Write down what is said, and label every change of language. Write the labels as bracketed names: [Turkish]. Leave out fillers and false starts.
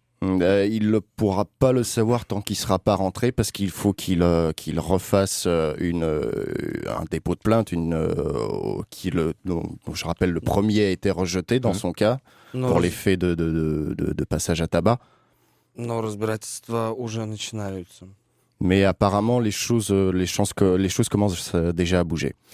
[French] Il ne pourra pas le savoir tant qu'il ne sera pas rentré, parce qu'il faut qu'il, qu'il refasse une, un dépôt de plainte, une, qui le, dont je rappelle, le premier a été rejeté dans son cas, non, pour les faits de passage à tabac. [Russian] Non, разбирательства уже начинаются. [French] Mais apparemment, les choses commencent déjà à bouger.